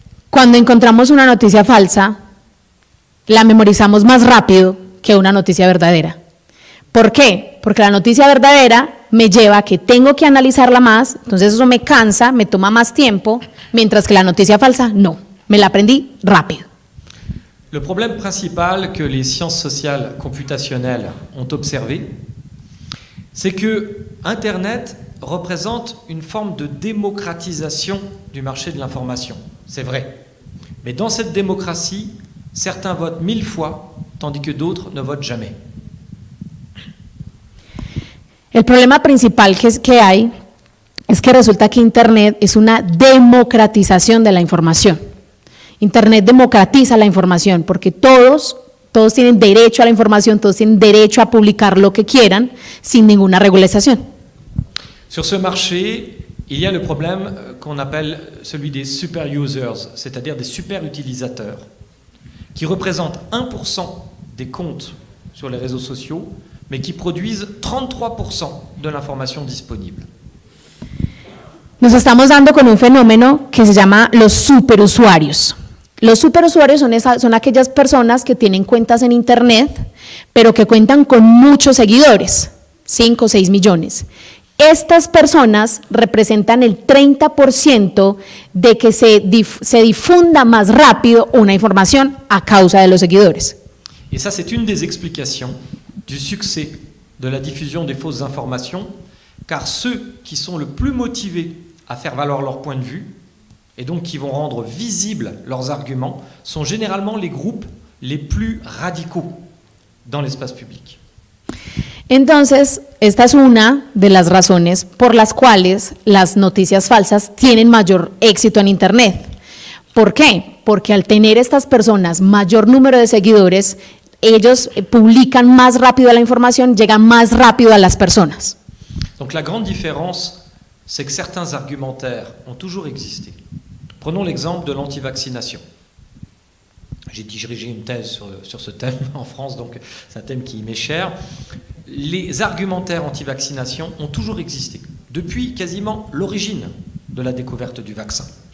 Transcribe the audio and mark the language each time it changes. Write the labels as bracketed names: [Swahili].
[Spanish] Cuando encontramos una noticia falsa, la memorizamos más rápido que una noticia verdadera. ¿Por qué? Porque la noticia verdadera me lleva a que tengo que analizarla más, entonces eso me cansa, me toma más tiempo, mientras que la noticia falsa, no, me la aprendí rápido. [French] Le problème principal que les sciences sociales computationnelles ont observé, c'est que Internet représente une forme de démocratisation du marché de l'information, c'est vrai. Mais dans cette démocratie, certains votent 1000 fois, tandis que d'autres ne votent jamais. [Spanish] El problema principal que hay es que resulta que Internet es una democratización de la información. Internet democratiza la información porque todos tienen derecho a la información, todos tienen derecho a publicar lo que quieran sin ninguna regulación. [French] Sur ce marché, il y a le problème qu'on appelle celui des super users, c'est-à-dire des super utilisateurs, qui représentent 1% des comptes sur les réseaux sociaux, mais qui produisent 33% de l'information disponible. [Spanish] Nos estamos dando con un fenómeno que se llama los superusuarios. Los superusuarios son aquellas personas que tienen cuentas en Internet, pero que cuentan con muchos seguidores, 5 o 6 millones. Estas personas representan el 30% de que se difunda más rápido una información a causa de los seguidores. Y esa es una de las explicaciones [French] du succès de la diffusion des fausses informations, car ceux qui sont le plus motivés à faire valoir leur point de vue, et donc qui vont rendre visibles leurs arguments, sont généralement les groupes les plus radicaux dans l'espace public. [Spanish] Entonces, esta es una de las razones por las cuales las noticias falsas tienen mayor éxito en Internet. ¿Por qué? Porque al tener estas personas mayor número de seguidores, ellos publican más rápido la información, llegan más rápido a las personas. [French] Donc la grande différence, c'est que certains argumentaires ont toujours existé. Prenons l'exemple de l'antivaccination. J'ai dirigé une thèse sur ce thème en France, donc c'est un thème qui m'est cher. les argumentaires anti-vaccination ont toujours existé, depuis quasiment l'origine de la découverte du vaccin.